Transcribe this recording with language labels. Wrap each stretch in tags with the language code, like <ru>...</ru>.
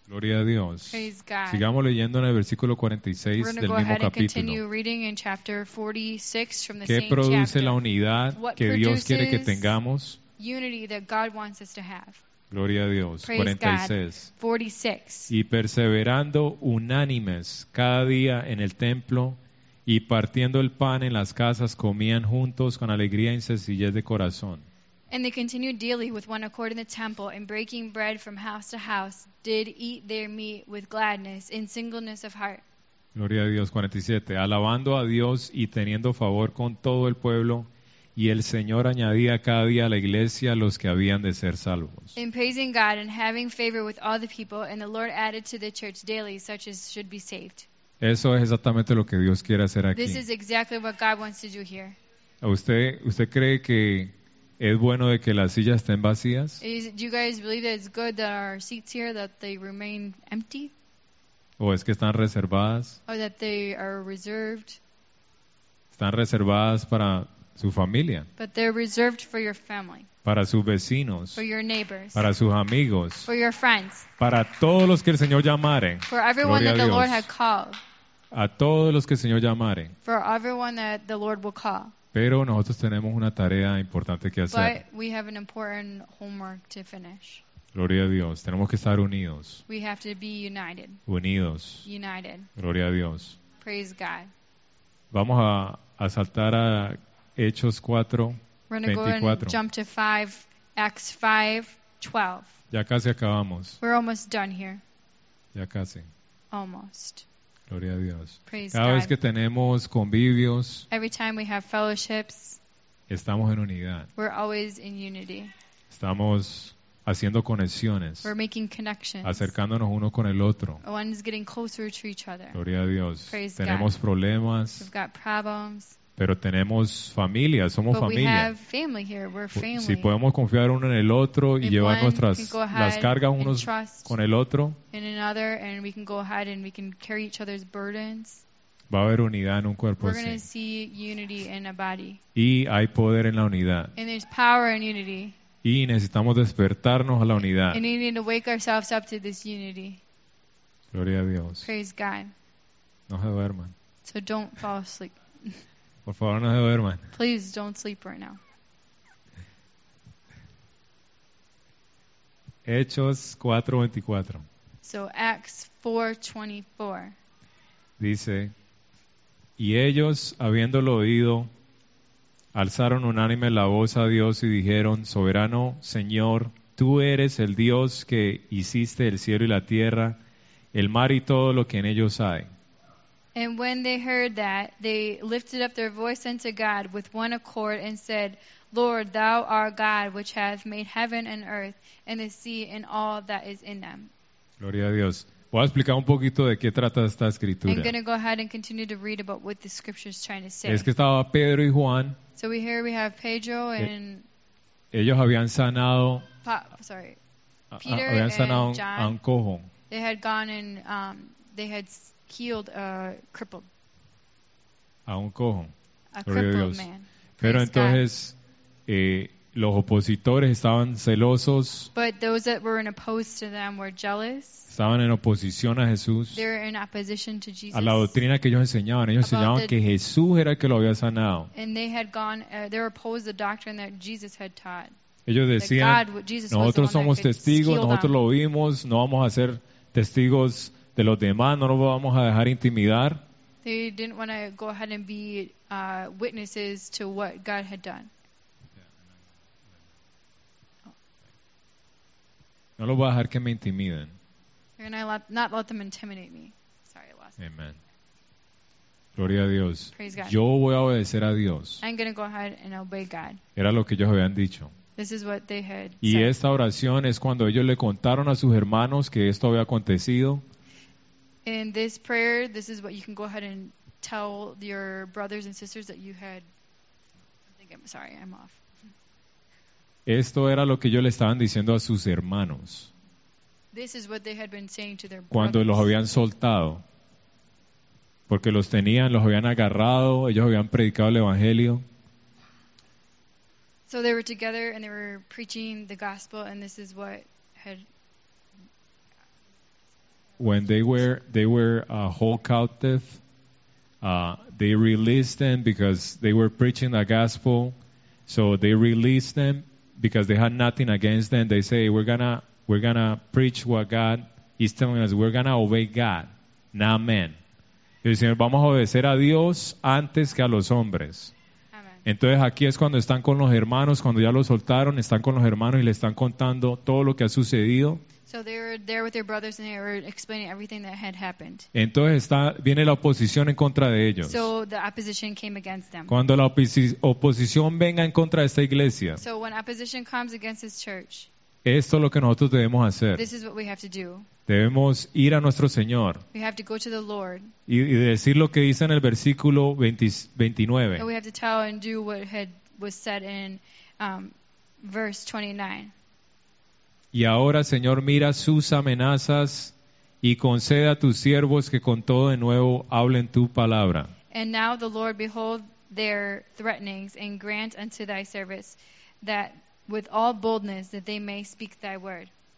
<es>Gloria a Dios.</es> <en>Praise God.</en> <es>Sigamos leyendo en el versículo 46 del mismo capítulo.</es> <en>We're going to go ahead and continue reading in chapter 46 from the same chapter.</en> <es>¿Qué produce la unidad que Dios quiere que tengamos?</es> <en>Unity that God wants us to have.</en> <es>Gloria a Dios.</es> <en>Praise 46. God. 46.</en> <es>Y perseverando unánimes cada día en el templo y partiendo el pan en las casas, comían juntos con alegría y sencillez de corazón.</es> <en>And they continued daily with one accord in the temple, and breaking bread from house to house, did eat their meat with gladness in singleness of heart.</en> <es>Gloria a Dios. 47. Alabando a Dios y teniendo favor con todo el pueblo, y el Señor añadía cada día a la iglesia los que habían de ser salvos.</es> <en>In praising God and having favor with all the people, and the Lord added to the church daily such as should be saved.</en> <es>Eso es exactamente lo que Dios quiere hacer aquí.</es> <en>This is exactly what God wants to do here.</en> <es>¿Usted cree que ¿Es bueno de que las sillas estén vacías?</es> <en>Do you guys believe that it's good that our seats here that they remain empty?</en> <es>¿O es que están reservadas?</es> <en>Or that they are reserved?</en> <es>Están reservadas para su familia.</es> <en>But they're reserved for your family.</en> <es>Para sus vecinos.</es> <en>For your neighbors.</en> <es>Para sus amigos.</es> <en>For your friends.</en> <es>Para todos los que el Señor llamare.</es> <en>For everyone that the Lord had called.</en> <es>A todos los que el Señor llamare.</es> <en>For everyone that the Lord will call.</en> <es>Pero nosotros tenemos una tarea importante que hacer.</es> <en>But we have an important homework to finish.</en> <es>Gloria a Dios. Tenemos que estar unidos.</es> <en>We have to be united.</en> <es>Unidos.</es> <en>United.</en> <es>Gloria a Dios.</es> <en>Praise God.</en> <es>Vamos a saltar a Hechos 4, 24.</es> <en>Acts 5:12.</en> <es>Ya casi acabamos.</es> <en>We're almost done here.</en> <es>Ya casi.</es> <en>Almost.</en> <es>Gloria a Dios.</es> <en>Praise</en> <es>Cada</es> <en>God.</en> <es>Vez que tenemos convivios,</es> <en>every time we have fellowships,</en> <es>estamos en unidad.</es> <en>We're always in unity.</en> <es>Estamos haciendo conexiones.</es> <en>We're making connections.</en> <es>Acercándonos uno con el otro.</es> <en>One's getting closer to each other.</en> <es>Gloria a Dios.</es> <en>Praise</en> <es>tenemos</es> <en>God.</en> <es>Problemas.</es> <en>We've got problems.</en> <es>Pero tenemos familia, somos</es> <en>but</en> <es>familia.</es> <en>We have family here. We're family.</en> <es>Si podemos confiar uno en el otro y</es> <en>if</en> <es>llevar nuestras las cargas unos con el otro,</es> <en>in another and we can go ahead and we can carry each other's burdens.</en> <es>Va a haber unidad en un cuerpo</es> <en>we're</en> <es>así.</es> <en>We're going to see unity in a body.</en> <es>Y hay poder en la unidad.</es> <en>And there's power in unity.</en> <es>Y necesitamos despertarnos a la unidad.</es> <en>And we need to wake ourselves up to this unity.</en> <es>Gloria a Dios.</es> <en>Praise God.</en> <es>No se duerman.</es> <en>So don't fall asleep.</en> <es>Por favor, no se duerman.</es> <en>Please don't sleep right now.</en> <es>Hechos 4:24.</es> <en>So Acts 4:24.</en> <es>Dice, y ellos, habiéndolo oído, alzaron unánime la voz a Dios y dijeron, soberano Señor, tú eres el Dios que hiciste el cielo y la tierra, el mar y todo lo que en ellos hay.</es> <en>And when they heard that, they lifted up their voice unto God with one accord and said, Lord, thou art God, which hath made heaven and earth and the sea and all that is in them.</en> <es>Gloria a Dios. Voy a explicar un poquito de qué trata esta escritura.</es> <en>I'm going to go ahead and continue to read about what the scripture is trying to say.</en> <es>Es que estaba Pedro y Juan.</es> <en>So here we have Pedro and...</en> <es>Ellos habían sanado...</es> <en>Peter</en> <es>habían sanado</es> <en>and John.</en> <es>A un cojo.</es> <en>They had gone and they had... healed a crippled.</en> <es>A un cojo.</es> <en>A crippled man. Praise</en> <es>Pero entonces</es> <en>God.</en> <es>Los opositores estaban celosos.</es> <en>But those that were in opposed to them were jealous.</en> <es>Estaban en oposición a Jesús.</es> <en>They're in opposition to Jesus.</en> <es>A la doctrina que ellos enseñaban. Ellos enseñaban que Jesús era el que lo había sanado.</es> <en>And they had gone, they were opposed to the doctrine that Jesus had taught.</en> <es>Ellos decían,</es> <en>God,</en> <es>nosotros somos testigos, nosotros lo vimos, no vamos a ser testigos de los demás, no nos vamos a dejar intimidar.</es> <en>They didn't want to go ahead and be witnesses to what God had done.</en> <es>No los voy a dejar que me intimiden.</es> <en>You're going to not let them intimidate me. Sorry, I lost it.</en> <es>Amen. Gloria a Dios.</es> <en>Praise God.</en> <es>Yo voy a obedecer a Dios.</es> <en>I'm going to go ahead and obey God.</en> <es>Era lo que ellos habían dicho.</es> <en>This is what they had</en> <es>y</es> <en>said.</en> <es>Esta oración es cuando ellos le contaron a sus hermanos que esto había acontecido.</es> <en>In this prayer, this is what you can go ahead and tell your brothers and sisters that you had. I think I'm sorry, I'm off.</en> <es>Esto era lo que ellos le estaban diciendo a sus hermanos.</es> <en>This is what they had been saying to their</en> <es>cuando</es> <en>brothers.</en> <es>Los habían soltado. Porque los tenían, los habían agarrado, ellos habían predicado el evangelio.</es> <en>So they were together and they were preaching the gospel and this is what had when they were a whole captive, they released them because they were preaching the gospel. So they released them because they had nothing against them. They say we're gonna preach what God is telling us. We're gonna obey God, not men.</en> <es>Y dicen, vamos a obedecer a Dios antes que a los hombres.</es> <en>Amen.</en> <es>Entonces aquí es cuando están con los hermanos, cuando ya los soltaron, están con los hermanos y le están contando todo lo que ha sucedido.</es> <en>So they were there with their brothers and they were explaining everything that had happened.</en> <es>Entonces viene la oposición en contra de ellos.</es> <en>So the opposition came against them.</en> <es>Cuando la oposición venga en contra de esta iglesia.</es> <en>So when opposition comes against this church.</en> <es>Esto es lo que nosotros debemos hacer.</es> <en>This is what we have to do.</en> <es>Debemos ir a nuestro Señor.</es> <en>We have to go to the Lord.</en> <es>Y decir lo que dice en el versículo 29.</es> <en>And we have to tell and do what was said in Verse 29.</en> <es>Y ahora, Señor, mira sus amenazas y conceda a tus siervos que con todo de nuevo hablen tu palabra.</es> <en>And now the Lord behold their threatenings and grant unto thy servants that with all boldness that they may speak thy word.</en>